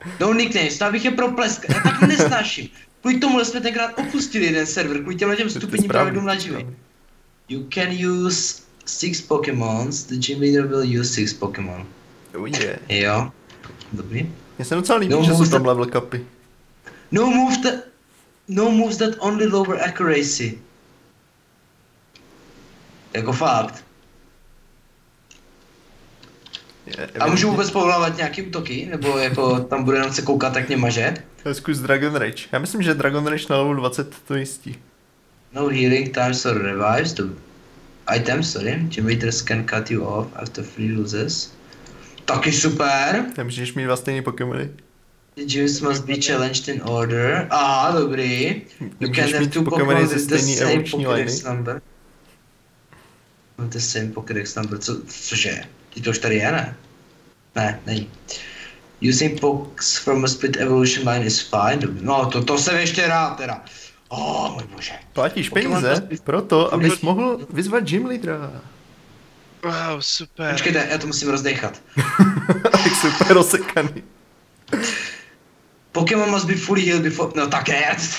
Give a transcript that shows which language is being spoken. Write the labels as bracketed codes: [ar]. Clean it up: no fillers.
[cs] No nicknames, tam bych je proplesk. Já tak nesnáším. Kvůli tomu jsme tenkrát opustili jeden server, kvůli těm stupidním pravidlům na gymu. [en] You can use 6 Pokémons, the gym leader will use 6 Pokémon. [cs] Ujde. Jo. Dobrý. Mně se docela líbí, no že jsou tam level cupy. [en] No move that... No moves that only lower accuracy. [cs] Jako fakt. Je, a můžu vůbec povolávat nějaký útoky? Nebo jako tam bude jenom se koukat, tak mě maže? Zkus Dragon Rage. Já myslím, že Dragon Rage na level 20 to jistí. [en] No healing times or revives to... Items, sorry. Gym leaders can cut you off after 3 losses. [cs] Taky super! Nemůžeš mít dva stejný pokémony. [en] The gyms must be challenged in order. [cs] Aha, dobrý. [en] You can have two [cs] pokémony ze stejný evoluční liny. Mám [en] the same Pokédex number, [cs] co, cože? Ty to už tady je, ne? Ne, není. [en] Using Pokes from a split evolution line is fine. [cs] No, to jsem ještě rád teda. Oh, můj bože. Platíš peníze proto, abys mohl vyzvat gym leadera. Wow, super. Počkejte, já to musím rozdechat. Tak super rozsekaný. [en] Pokémon must be fully healed before... [cs] No tak ne.